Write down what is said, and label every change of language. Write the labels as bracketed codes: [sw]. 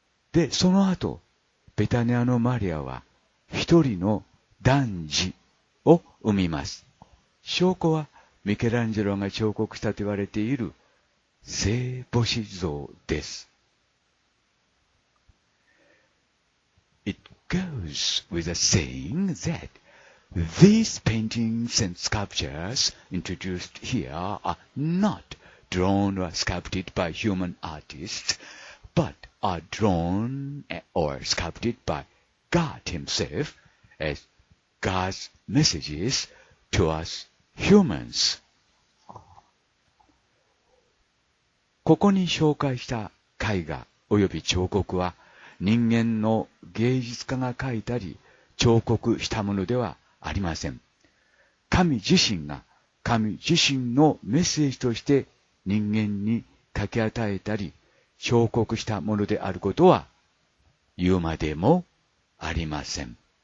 [ja] で、その後、ベタニアのマリアは一人の男児を産みます。証拠はミケランジェロが彫刻したと言われている聖母子像です。 [en] It goes with a saying that these paintings and sculptures introduced here are notDrawn or sculpted by human artists, but are drawn or sculpted by God Himself as God's messages to us humans. [ja] ここに紹介した絵画および彫刻は人間の芸術家が描いたり彫刻したものではありません。神自身のメッセージとして人間に書き与えたり彫刻したものであることは言うまでもありません。